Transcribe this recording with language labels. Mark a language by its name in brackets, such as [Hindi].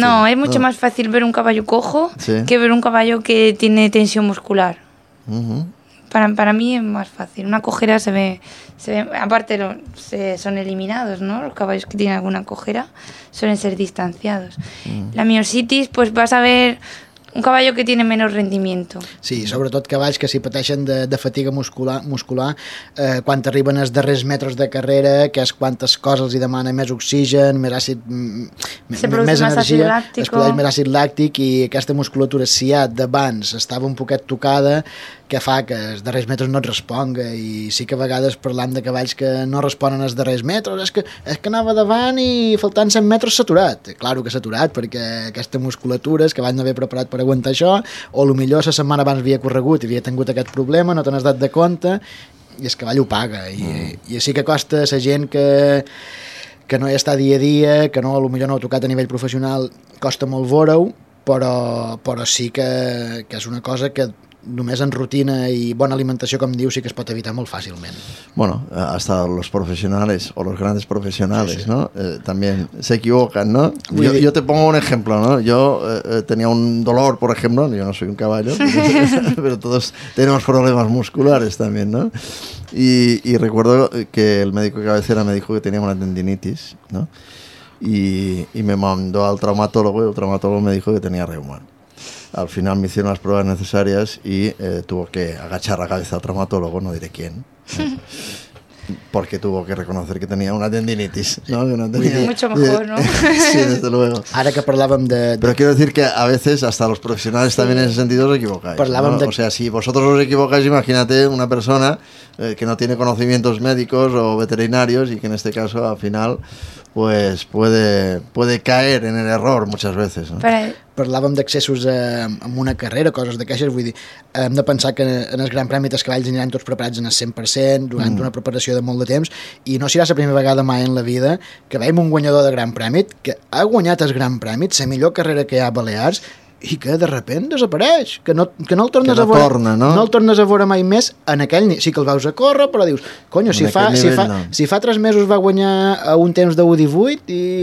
[Spanish] No, es mucho más fácil ver un caballo cojo que ver un caballo que tiene tensión muscular. Para mí es más fácil. Una cojera se ve, aparte son eliminados, ¿no? Los caballos que tienen alguna cojera suelen ser distanciados. La miositis, pues vas a ver un caballo que tiene menos rendimiento. [Catalan] Sí, sobretot cavalls que si pateixen de fatiga muscular, quan arriben els darrers metres de carrera, que és quantes coses els hi demana més oxigen, més àcid, més energia, es produeix més àcid làctic, i aquesta musculatura, si ja d'abans estava un poquet tocada, que fa que els darrers metres no et responga, i sí que a vegades parlant de cavalls que no responen als darrers metres, és que anava davant i faltant 100 metres saturat. Claro que saturat, perquè aquesta musculatura, és que abans no havia preparat per aguantar això, o potser la setmana abans havia corregut i havia tingut aquest problema, no te n'has dat de compte, i el cavall ho paga. I sí que costa a la gent que no hi està dia a dia, que no, potser no ho ha tocat a nivell professional, costa molt veure-ho, però sí que és una cosa que només en rutina i bona alimentació, com dius, sí que es pot evitar molt fàcilment. [Spanish] Bueno, hasta los profesionales o los grandes profesionales, sí, sí, ¿no? También se equivocan, ¿no? Yo te pongo un ejemplo, ¿no? Yo tenía un dolor, por ejemplo, yo no soy un caballo, pero todos tenemos problemas musculares también, ¿no? Y recuerdo que el médico de cabecera me dijo que tenía una tendinitis, ¿no? Y me mandó al traumatólogo y el traumatólogo me dijo que tenía reuma. Al final me hicieron las pruebas necesarias y tuvo que agachar la cabeza al traumatólogo, no diré quién, porque tuvo que reconocer que tenía una tendinitis, ¿no? Que no tenía... Mucho mejor, ¿no? Sí, desde luego. Ahora que hablábam de... Pero quiero decir que a veces hasta los profesionales también en ese sentido os equivocáis, ¿no? O sea, si vosotros os equivocáis, imagínate una persona que no tiene conocimientos médicos o veterinarios y que en este caso al final pues puede caer en el error muchas veces, ¿no? [Catalan] Parlàvem d'accessos en una carrera, coses d'aquestes, vull dir, hem de pensar que en els Gran Premis els cavalls aniran tots preparats en el 100%, durant una preparació de molt de temps, i no serà la primera vegada mai en la vida que veiem un guanyador de Gran Premi que ha guanyat el Gran Premi, la millor carrera que hi ha a Balears, i que [Spanish] de repente [Catalan] desapareix, que no el tornes a veure mai més en aquell nivell. Sí que el veus a córrer, però dius, coño, si fa 3 mesos va guanyar un temps de 1:18 i...